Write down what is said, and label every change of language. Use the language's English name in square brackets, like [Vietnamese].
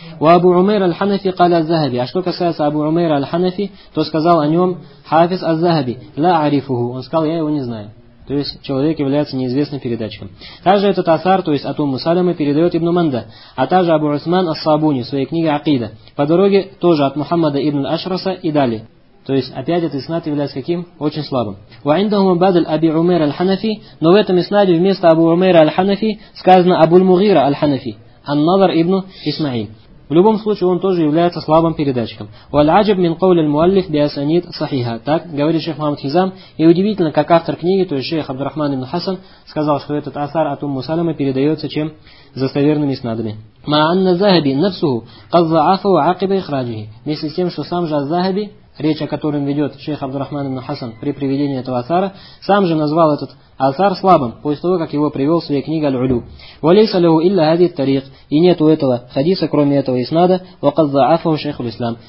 [Russian] У Абу Умейр аль-Ханафи каля аз-Захаби. А что касается Абу Умейр аль-Ханафи, то сказал о нем Хафиз аз-Захаби. [Arabic] Ла арифуху. [Russian] Он сказал, я его не знаю. То есть человек является неизвестным передатчиком. Также этот асар, то есть от Умму Салямы, передает Ибн Манда. А также Абу Усман ас-Сабуни в своей книге Акида. По дороге тоже от Мухаммада ибн аш-Раса и далее. То есть опять этот иснад является каким? Очень слабым. [Arabic] وعندهم بدل أبي عمير الحنفي. [Russian] Но в этом иснаде вместо Абу Умейра аль-Ханафи сказано Абу Мугира аль-Ханафи. Ан-Назар ибн Исмаил. В любом случае он тоже является слабым передатчиком. [Arabic] والعجب من قول المؤلف بأسانيد صحيحة. [Russian] Так говорит шейх Мухаммад Хизам. И удивительно, как автор книги, то есть шейх Абдурахман ибн Хасан, сказал, что этот асар от Умму Салямы передается чем? Застоверными иснадами. [Arabic] مع أن الذهبي نفسه قد ضعفه عقب إخراجه. [Russian] Вместе с тем, что сам же аз-Захаби, речь о котором ведет шейх Абдурахман ибн Хасан при приведении этого асара, сам же назвал этот асар слабым, после того, как его привел в своей книге Аль-Улю. [Arabic] «Валейса леу илля хадит тарих» [Russian] и нет у этого хадиса, кроме этого иснада, [Arabic] «вакад заафау шейху ислам».